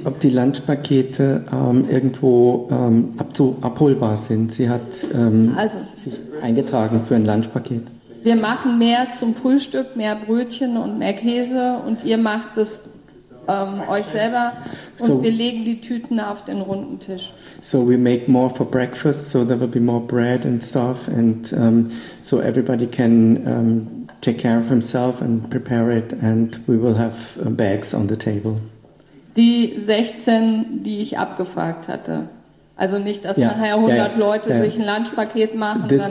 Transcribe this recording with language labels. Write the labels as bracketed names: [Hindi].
[German] Ob die Lunchpakete irgendwo abholbar sind. Sie hat sich eingetragen für ein Lunchpaket. Wir machen mehr zum Frühstück, mehr Brötchen und mehr Käse und ihr macht es euch selber und so, wir legen die Tüten auf den runden Tisch. [English] So we make more for breakfast, so there will be more bread and stuff and so everybody can take care of himself and prepare it and we will have bags on the table. [German] Die 16, die ich abgefragt hatte. Also nicht, dass nachher 100 Leute sich ein Lunchpaket machen.